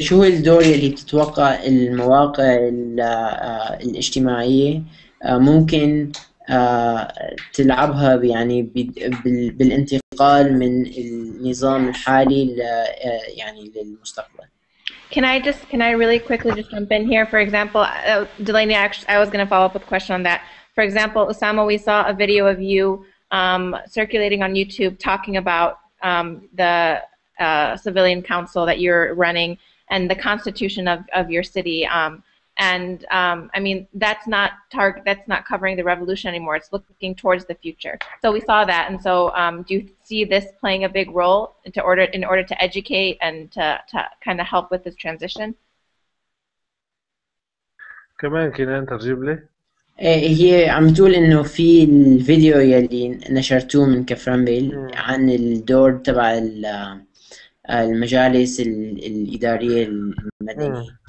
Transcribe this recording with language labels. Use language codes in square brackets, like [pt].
[ar] شو هو الدور اللي بتتوقع المواقع الاجتماعية ممكن تلعبها يعني بالانتقال من النظام الحالي يعني للمستقبل؟ [en] Can I really quickly just jump in here? For example, Delaney, actually, I was going to follow up with a question on that. For example, Osama, we saw a video of you circulating on YouTube talking about the civilian council that you're running and the constitution of your city. I mean, that's not covering the revolution anymore. It's looking towards the future. So we saw that. And so do you see this playing a big role in order to educate and to kind of help with this transition? [ar] كمان كنان ترجم لي. هي عم تقول انه في الفيديو يلي نشرتوه من كفرنبيل عن الدور تبع المجالس الإدارية المدنية.